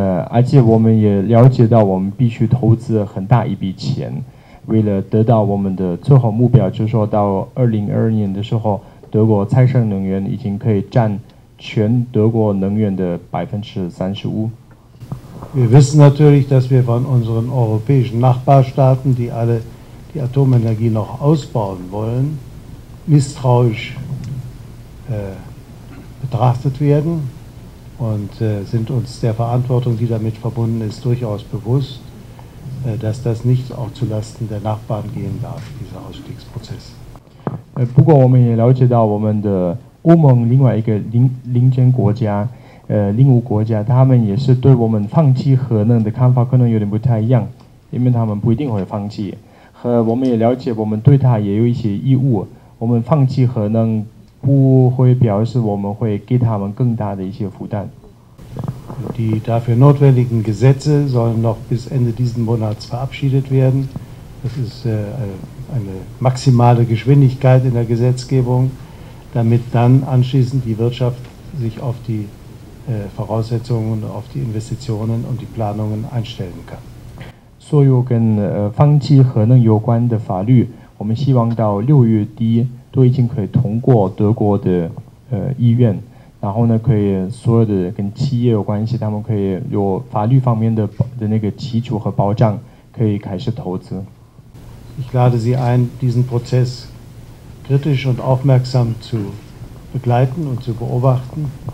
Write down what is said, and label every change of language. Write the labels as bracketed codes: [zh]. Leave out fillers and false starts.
[zh] 而且我们也了解到我们必须投资很大一笔钱，为了得到我们的最后目标，就是说到2022年的时候，德国再生能源已经可以占全德国能源的35%。 [de] Wir wissen natürlich, dass wir von unseren europäischen Nachbarstaaten, die alle die Atomenergie noch ausbauen wollen, misstrauisch betrachtet werden. Und sind uns der Verantwortung, die damit verbunden ist, durchaus bewusst, dass das nicht auch zulasten der Nachbarn gehen darf, dieser Ausstiegsprozess. [zh] 不过我们也了解到我们的欧盟另外一个邻近国家，邻国国家，他们也是对我们放弃核能的看法可能有点不太一样，因为他们不一定会放弃。和我们也了解，我们对他也有一些义务，我们放弃核能。不会表示我们会给他们更大的一些负担。 [de] Die dafür notwendigen Gesetze sollen noch bis Ende diesen Monats verabschiedet werden. Das ist eine maximale Geschwindigkeit in der Gesetzgebung. damit dann anschließend die Wirtschaft sich auf die Voraussetzungen, auf die Investitionen und die Planungen einstellen kann. [zh] 所有跟放弃核能有关的法律，我们希望到六月底都已经可以通过德国的议院，然后呢，可以所有的跟企业有关系，他们可以有法律方面的那个基础和保障，可以开始投资。 [de] Ich lade Sie ein, diesen Prozess kritisch und aufmerksam zu begleiten und zu beobachten.